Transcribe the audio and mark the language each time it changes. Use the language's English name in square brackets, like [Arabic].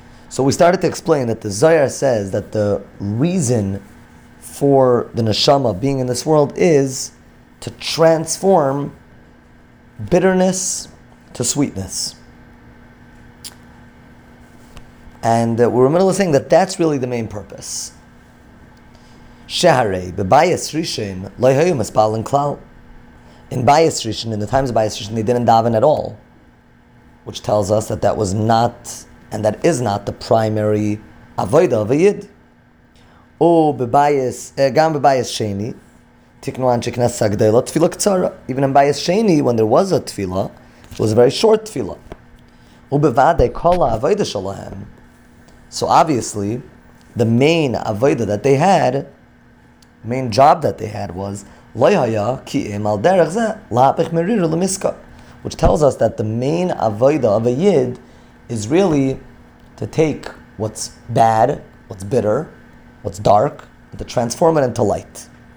[English] So we started to explain that the Zohar says that the reason for the neshama being in this world is to transform bitterness to sweetness. And we're in the middle of saying that that's really the main purpose. [Hebrew] שהרי, בבית ראשון, לא היו מתפללין כלל. [English] In בית ראשון, in the times of בית ראשון, they didn't daven at all. Which tells us that that was not, and that is not, the primary avoda of a yid. [Hebrew] או בבית, גם בבית שני, תקנו אנשי כנסת הגדולה, תפילה קצרה. [English] Even in בית שני, when there was a תפילה, it was a very short תפילה. [Hebrew] ובוודאי כל העבודה שלהם. [English] So obviously, the main avoda that they had, main job that they had was Loyaya Kiim al Derekza Lapich Mirir Lemiska, which tells us that the main avoida of a yid is really to take what's bad, what's bitter, what's dark, and to transform it into light.